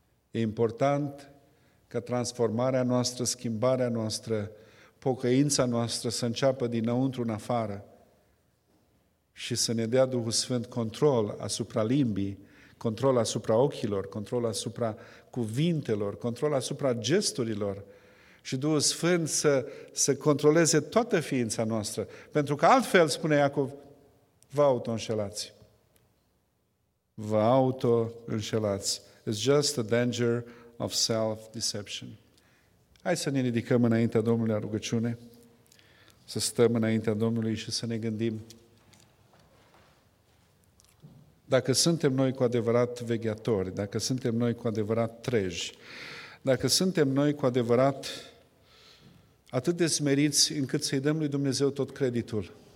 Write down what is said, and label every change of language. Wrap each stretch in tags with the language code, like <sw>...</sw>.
<ro>E important ca transformarea noastră, schimbarea noastră, pocăința noastră să înceapă dinăuntru în afară și să ne dea Duhul Sfânt control asupra limbii, control asupra ochilor, control asupra cuvintelor, control asupra gesturilor și Duhul Sfânt să controleze toată ființa noastră. Pentru că altfel, spune Iacov, vă auto-înșelați. Vă auto-înșelați.</ro> <en>It's just the danger of self-deception.</en> <ro>Hai să ne ridicăm înaintea Domnului la rugăciune, să stăm înaintea Domnului și să ne gândim dacă suntem noi cu adevărat veghetori, dacă suntem noi cu adevărat treji, dacă suntem noi cu adevărat atât de smeriți încât să-i dăm lui Dumnezeu tot creditul.</ro>